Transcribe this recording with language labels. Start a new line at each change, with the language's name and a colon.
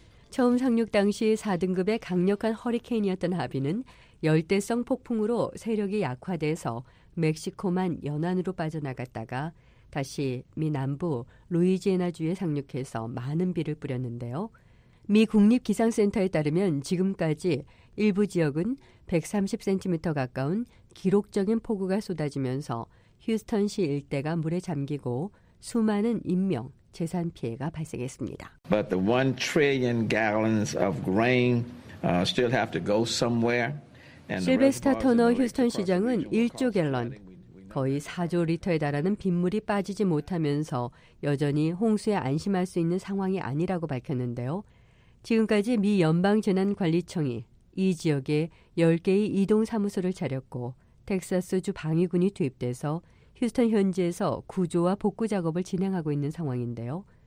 Korean: 처음 상륙 당시 4등급의 강력한 허리케인이었던 하비는 열대성 폭풍으로 세력이 약화돼서 멕시코만 연안으로 빠져나갔다가 다시 미 남부 루이지애나주에 상륙해서 많은 비를 뿌렸는데요. 미 국립기상센터에 따르면 지금까지 일부 지역은 130cm 가까운 기록적인 폭우가 쏟아지면서 휴스턴시 일대가 물에 잠기고 수많은 인명, 재산 피해가 발생했습니다.
English: But the 1 trillion gallons of grain still have to go somewhere.
Korean: 실베스타 터너 휴스턴 시장은 1조 갤런, 거의 4조 리터에 달하는 빗물이 빠지지 못하면서 여전히 홍수에 안심할 수 있는 상황이 아니라고 밝혔는데요. 지금까지 미 연방재난관리청이 이 지역에 10개의 이동사무소를 차렸고 텍사스주 방위군이 투입돼서 휴스턴 현지에서 구조와 복구작업을 진행하고 있는 상황인데요.